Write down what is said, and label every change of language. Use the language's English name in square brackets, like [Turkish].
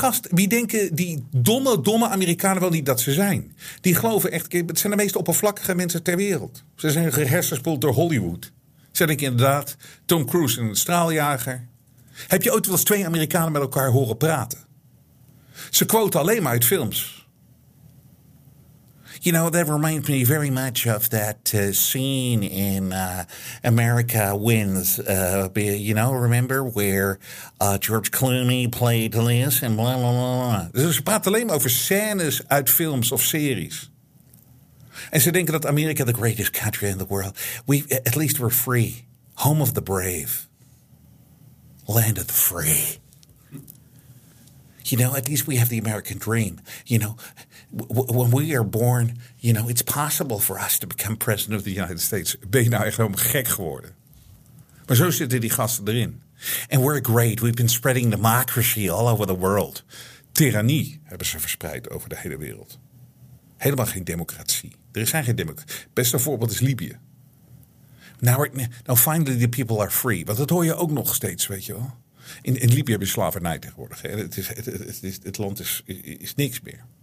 [Dutch] Wie denken die domme Amerikanen wel niet dat ze zijn? Die geloven echt, het zijn de meest oppervlakkige mensen ter wereld. Ze zijn gehersenspoeld door Hollywood. Zeg ik inderdaad, Tom Cruise in een straaljager. Heb je ooit wel eens twee Amerikanen met elkaar horen praten? Ze quoten alleen maar uit films. [English] You know, that reminds me very much of that scene in America Wins. You know, remember where George Clooney played this and blah, blah, blah. [Dutch] Dus ze praten alleen maar over scènes uit films of series. En ze denken dat Amerika [English] the greatest country in the world. We at least we're free. Home of the brave. Land of the free. You know, at least we have the American dream. You know, when we are born, you know, it's possible for us to become president of the United States. [Dutch] Ben je nou echt helemaal gek geworden? Maar zo zitten die gasten erin. [English] And we're great. We've been spreading democracy all over the world. [Dutch] Tyrannie hebben ze verspreid over de hele wereld. Helemaal geen democratie. Er zijn geen democratie. Beste voorbeeld is Libië. [English] Now finally the people are free. [Dutch] Want dat hoor je ook nog steeds, weet je wel. In Libië heb je slavernij tegenwoordig. Hè? Het land is niks meer.